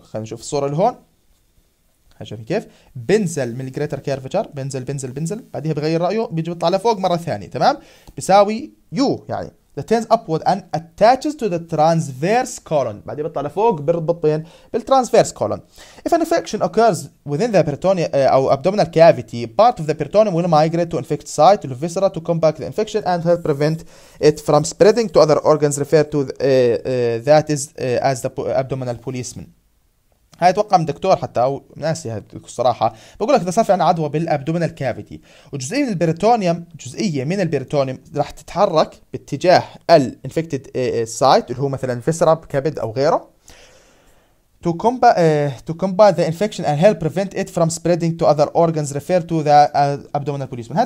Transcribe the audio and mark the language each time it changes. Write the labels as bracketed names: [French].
[Arabic] خلينا نشوف الصورة اللي هون، شايفين كيف بنزل من الجريتر كيرفتشر، بنزل بنزل بنزل، بعدها بغير رأيه بيجي بيطلع لفوق مرة ثانية، تمام؟ بيساوي يو، يعني [English] the turns upward and attaches to the transverse colon، [Arabic] بعدها بيطلع لفوق بيربط بين بالtransverse colon. [English] If an infection occurs within the peritoneum أو abdominal cavity, part of the peritoneum will migrate to infect site to viscera to combat the infection and help prevent it from spreading to other organs referred to that is as the abdominal policeman. [Arabic] هاي اتوقع من دكتور حتى او ناسي الصراحه، بقول لك اذا صار في عندنا عدوى بالابدومينال كافيتي وجزئيه من البريتونيوم، جزئيه من البريتونيوم راح تتحرك باتجاه الانفكتد سايت اللي هو مثلا فيسرا بكبد او غيره، [English] To combat to combat the infection and help prevent it from spreading to other organs refer to the abdominal policeman.